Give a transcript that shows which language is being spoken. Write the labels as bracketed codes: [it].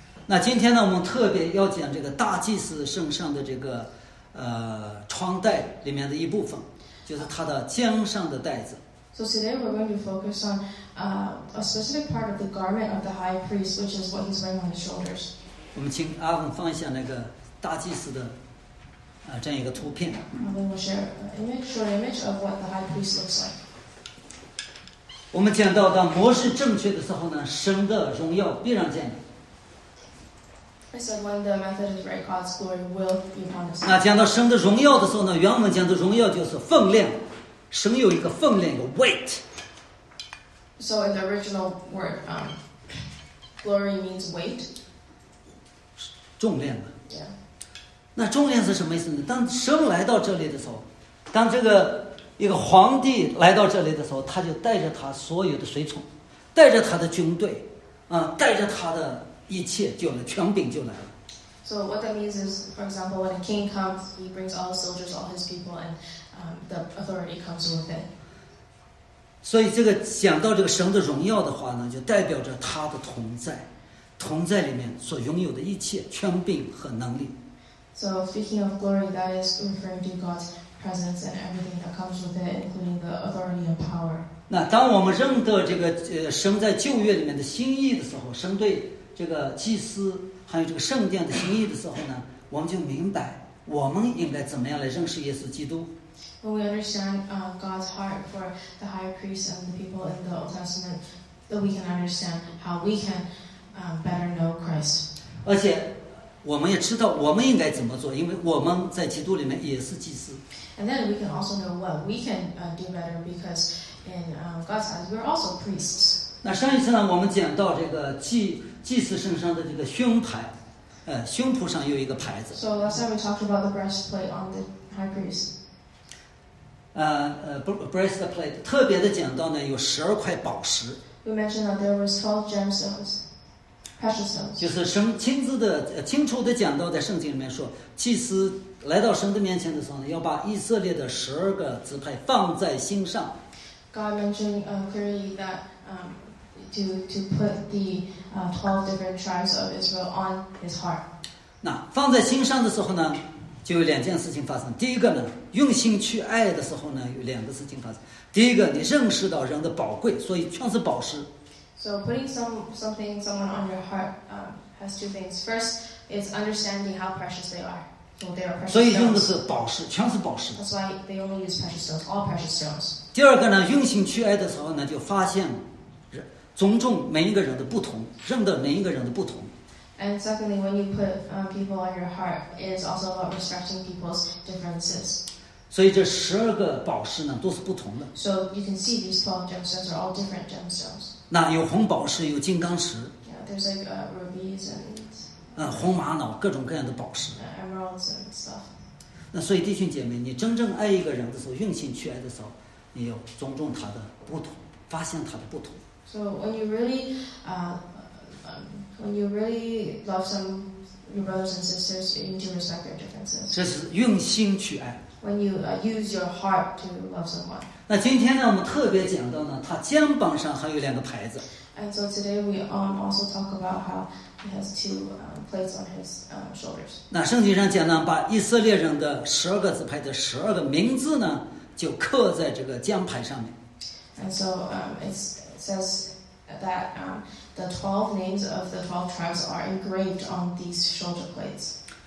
[zh] 那今天呢，我们特别要讲这个大祭司圣上的这个窗带里面的一部分，就是他的肩上的带子。 [en] So today we're going to focus on a specific part of the garment of the high priest, which is what he's wearing on his shoulders. [zh] 我们请阿文放一下那个大祭司的这样一个图片。 [en] And then we'll share an image, short image of what the high priest looks like. [zh] 我们讲到，当模式正确的时候呢，神的荣耀必然见你。 [en] I said when the method is right, God's glory will be upon us. [zh] 那讲到神的荣耀的时候呢，原文讲的荣耀就是分量。神有一个分量，一个 weight。 [en] So in the original word, glory means weight. [zh] 重量嘛。 [en] Yeah. [zh] 那重量是什么意思呢？当神来到这里的时候，当这个一个皇帝来到这里的时候，他就带着他所有的随从，带着他的军队，带着他的一切就来，权柄就来了。 [en] So what that means is, for example, when a king comes, he brings all his soldiers, all his people, and the authority comes with it. [zh] 所以这个讲到这个神的荣耀的话呢，就代表着他的同在，同在里面所拥有的一切权柄和能力。 [en] So speaking of glory, that is referring to God's presence and everything that comes with it, including the authority and power. [zh] 那当我们认得这个神在旧约里面的心意的时候，神对这个祭司还有这个圣殿的心意的时候呢，我们就明白我们应该怎么样来认识耶稣基督。 [en] When we understand God's heart for the high priest and the people in the Old Testament, then we can understand how we can better know Christ. [zh] 而且我们也知道我们应该怎么做，因为我们在基督里面也是祭司。 [en] And then we can also know what we can do better because in God's eyes we're also priests. [zh] 那上一次呢，我们讲到这个祭司身上的这个胸牌，胸脯上有一个牌子。 [en] So last time we talked about the breastplate on the high priest. [zh] Breastplate 特别的讲到呢，有十二块宝石。 [en] We mentioned that there was 12 gemstones, precious stones. [zh] 就是神亲自的、清楚的讲到，在圣经里面说，祭司来到神的面前的时候呢，要把以色列的十二个支派放在心上。 [en] God mentioned clearly that to put the 12 different tribes of Israel on his heart. [zh] 那放在心上的时候呢，就有两件事情发生。第一个呢，用心去爱的时候呢，有两个事情发生。第一个，你认识到人的宝贵，所以全是宝石。 [en] So putting someone on your heart has two things. First is understanding how precious they are. So they are precious. [zh] 所以用的是宝石，全是宝石。 [en] That's why they only use precious stones, all precious stones. [zh] 第二个呢，用心去爱的时候呢，就发现尊重每一个人的不同，认得每一个人的不同。 [en] And secondly, when you put people on your heart, it is also about respecting people's differences. [zh] 所以这十二个宝石呢，都是不同的。 [en] So you can see these 12 gemstones are all different gemstones. [zh] 那有红宝石，有金刚石。 [en] Yeah, there's like rubies and. [zh] 红玛瑙，各种各样的宝石。 [en] Emeralds and stuff. [zh] 那所以弟兄姐妹，你真正爱一个人的时候，用心去爱的时候，你要尊重他的不同，发现他的不同。 [en] So when you really, when you really love some your brothers and sisters, you need to respect their differences. [zh] 这是用心去爱。 [en] When you use your heart to love someone. [zh] 那今天呢，我们特别讲到呢，他肩膀上还有两个牌子。 [en] And so today we also talk about how. He has two plates on his shoulders. [zh] 那圣经上讲呢，把以色列人的十二个支派的十二个名字呢，就刻在这个肩牌上面。 [en] And so it says that the 12 names of the 12 tribes are engraved on these shoulder plates.